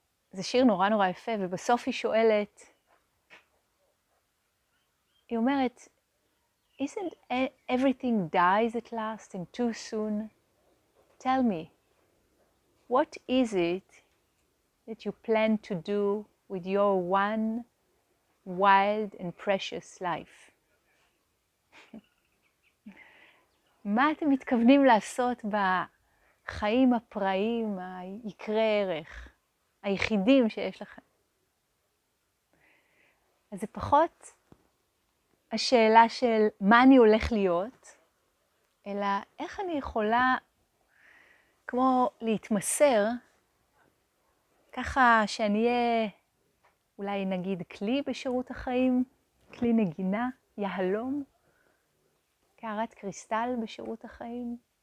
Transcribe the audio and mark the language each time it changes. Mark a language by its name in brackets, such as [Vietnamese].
[Hebrew] זה שיר נורא נורא יפה, ובסוף היא שואלת, היא אומרת, [English] isn't everything dies at last and too soon? Tell me, what is it that you plan to do with your one wild and precious life? [Hebrew] מה אתם מתכוונים לעשות בחיים הפראים, היקרי ערך, היחידים שיש לכם? אז זה פחות השאלה של מה אני הולך להיות, אלא איך אני יכולה כמו להתמסר, ככה שאני אהיה אולי נגיד כלי בשירות החיים, כלי נגינה, יהלום, קערת קריסטל בשירות החיים.